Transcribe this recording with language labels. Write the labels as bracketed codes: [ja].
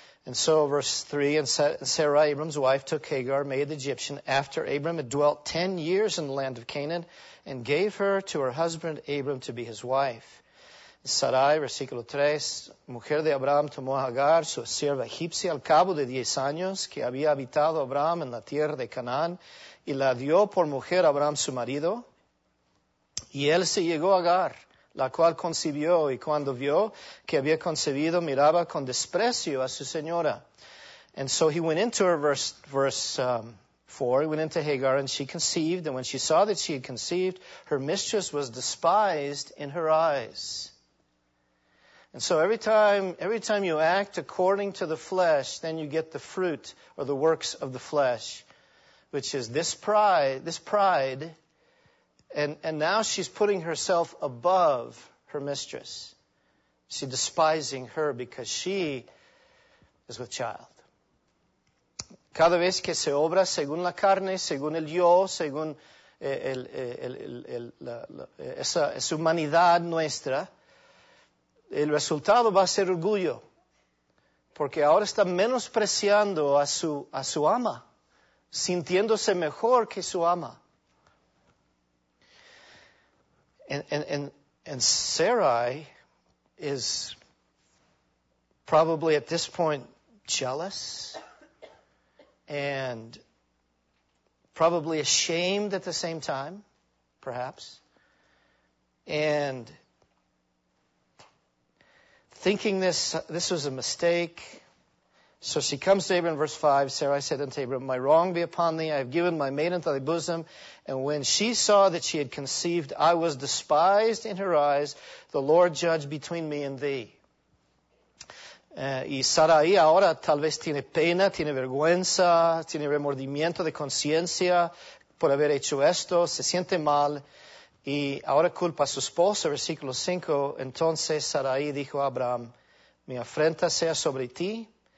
[en] And so verse 3, and Sarai, Abram's wife, took Hagar, maid of the Egyptian, after Abram had dwelt 10 years in the land of Canaan, and gave her to her husband Abram to be his wife. [es] Sarai, versículo 3, mujer de Abraham, tomó Hagar, su sierva egipcia, al cabo de 10 años, que había habitado Abraham en la tierra de Canaán, y la dio por mujer a Abraham, su marido. Y él se llegó a Agar, la cual concibió, y cuando vio que había concebido, miraba con desprecio a su señora. [en] And so he went into her, verse 4, he went into Hagar, and she conceived, and when she saw that she had conceived, her mistress was despised in her eyes. And so every time you act according to the flesh, then you get the fruit or the works of the flesh, which is this pride. And now she's putting herself above her mistress. She's despising her because she is with child. [es] Cada vez que se obra según la carne, según el yo, según esa humanidad nuestra, el resultado va a ser orgullo. Porque ahora está menospreciando a su ama, sintiéndose mejor que su ama. [en] And Sarai is probably at this point jealous and probably ashamed at the same time, perhaps, and thinking this was a mistake. So she comes to Abram, verse 5, Sarai said unto Abram, my wrong be upon thee, I have given my maid unto thy bosom. And when she saw that she had conceived, I was despised in her eyes. The Lord judge between me and thee. [es] Y Sarai ahora tal vez tiene pena, tiene vergüenza, tiene remordimiento de conciencia por haber hecho esto, se siente mal. Y ahora culpa a su esposo, versículo 5. Entonces Sarai dijo a Abraham, mi afrenta sea sobre ti.